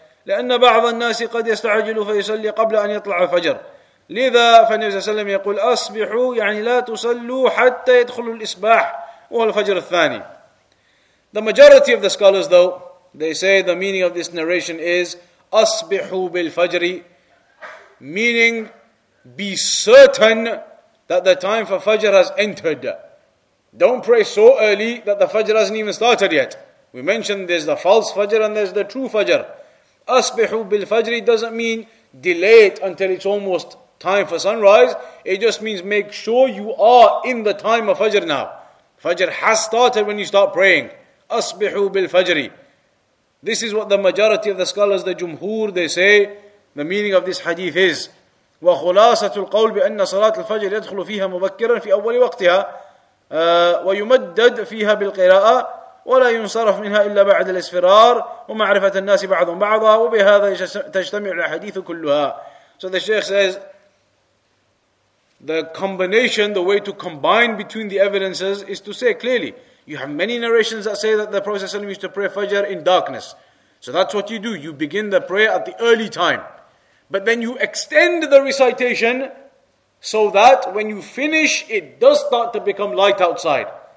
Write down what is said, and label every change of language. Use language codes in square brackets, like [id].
[ar] لأن بعض الناس قد يستعجل فيصلي قبل أن يطلع الفجر. لذا فالنبي صلى الله عليه وسلم يقول أصبحوا يعني لا تصلوا حتى يدخلوا الإصباح وهو الفجر الثاني. [en] The majority of the scholars though, they say the meaning of this narration is [ar] أصبحوا بالفجر, [en] meaning be certain that the time for Fajr has entered. Don't pray so early that the Fajr hasn't even started yet. We mentioned there's the false Fajr and there's the true Fajr. [ar] أصبحوا بالفجر [en] doesn't mean delay it until it's almost time for sunrise. It just means make sure you are in the time of Fajr now. Fajr has started when you start praying. [ar] أصبحوا بالفجر. [en] This is what the majority of the scholars, the Jumhur, they say the meaning of this hadith is. [ar] وخلاصة القول بأن صلاة الفجر يدخل فيها مبكرا في أول وقتها ويمدد فيها بالقراءة ولا ينصرف منها إلا بعد الإسفرار ومعرفة الناس بعضهم بعضا وبهذا تجتمع الأحاديث كلها. [en] So the Sheikh says the combination, the way to combine between the evidences is to say clearly you have many narrations that say that the Prophet ﷺ used to pray Fajr in darkness. So that's what you do. You begin the prayer at the early time. But then you extend the recitation so that when you finish, it does start to become light outside.